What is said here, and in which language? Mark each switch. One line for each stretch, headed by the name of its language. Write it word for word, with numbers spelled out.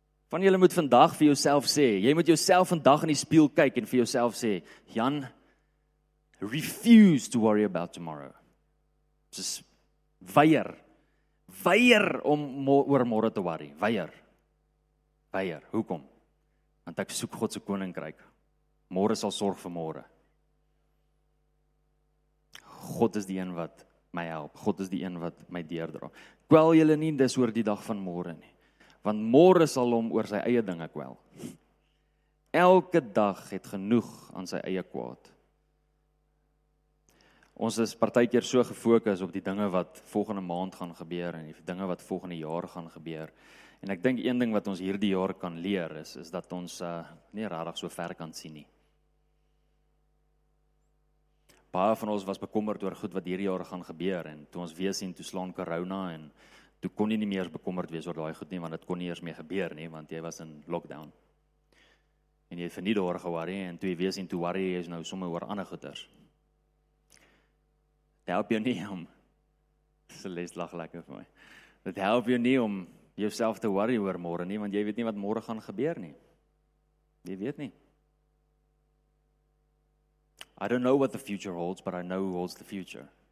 Afrikaans: Van julle moet vandag vir jouself sê, jy moet jouself vandag in die spieël kyk en vir jouself sê, Jan,
English: refuse to worry about tomorrow.
Afrikaans: Dis weier, weier om mo- oor môre te worry, weier, weier, hoekom? Want ek soek God se koninkryk. Môre sal sorg vir môre. God is die een wat my help. God is die een wat my deurdra. Kwel julle nie dis oor die dag van môre nie. Want môre sal hom oor sy eie dinge kwel. Elke dag het genoeg aan sy eie kwaad. Ons is partykeer so gefokus op die dinge wat volgende maand gaan gebeur en die dinge wat volgende jaar gaan gebeur. En ek dink een ding wat ons hierdie jaar kan leer is, is dat ons uh, nie regtig so ver kan sien nie. Baie van ons was bekommerd oor goed wat hierdie jaar gaan gebeur en toe ons weer sien toe slaan corona en toe kon jy nie meer bekommerd wees oor daai goed nie want dit kon nie eers meer gebeur nie want jy was in lockdown. En jy het verniet oor geworry en toe jy weer sien toe worry jy is nou sommer oor ander goeders. Dit help jou nie om se lees lag lekker vir my. Dit help jou nie om jouself te worry oor môre nie want jy weet nie wat môre gaan gebeur nie. Jy weet nie.
English: I don't know what the future holds, but I know who holds the future.